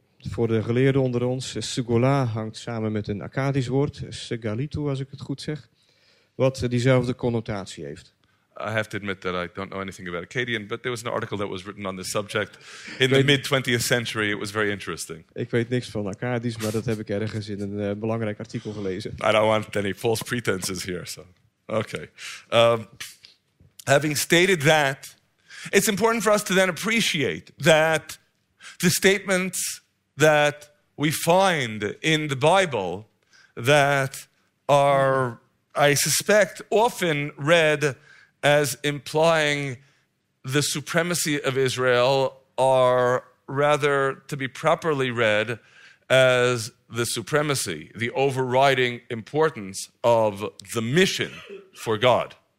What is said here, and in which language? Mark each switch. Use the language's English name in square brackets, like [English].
[Dutch] Voor de geleerden onder ons, segula hangt samen met een Akkadisch woord, segalitu, als ik het goed zeg, wat diezelfde connotatie heeft. [English] I have to admit that I don't know anything about Akkadian, but there was an article that was written on this subject in the mid-20th century. It was very interesting. [Dutch] Ik weet niks van Akkadisch, maar dat heb ik ergens in een belangrijk artikel gelezen. [English] I don't want any false pretenses here, so. Okay. Having stated that, it's important for us to then appreciate that the statements that we find in the Bible that are, I suspect, often read as implying the supremacy of Israel, are rather to be properly read as the supremacy, the overriding importance of the mission for God.